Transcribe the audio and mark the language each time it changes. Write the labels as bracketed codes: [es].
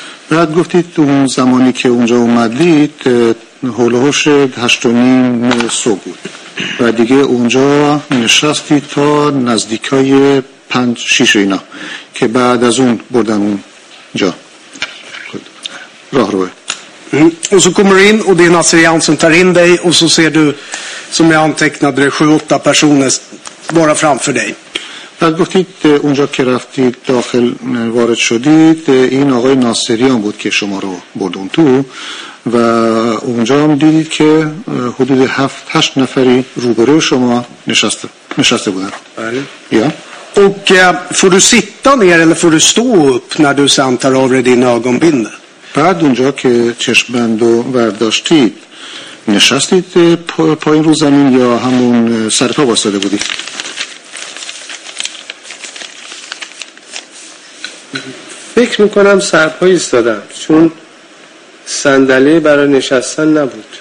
[fa] بعد گفتید اون زمانی که اونجا اومدید هولوش هشتونین سو بود و دیگه اونجا نشستی تا نزدیکای پنج شیش اینا که بعد از اون بردن اونجا راه روه Mm. [sv] Och så kommer du in och det är en assyrian som tar in dig och så ser du, som jag antecknade det, 7-8 personer bara framför dig. [fa] بعد گفتید اونجا که رفتید داخل وارد شدید این آقای ناصریان بود که شما رو برد اون تو و اونجا هم دیدید که حدود 7-8 نفری روبروی شما نشسته بودن [sv] بله Och får du sitta ner eller får du stå upp när du sen tar av dig din ögonbindel? [fa] بعد اونجا که چشمند و برداشتید نشستید پایین رو زمین یا همون سرپا واسده بودید؟ فکر میکنم سرپای ایستادم چون صندلی برای نشستن نبود.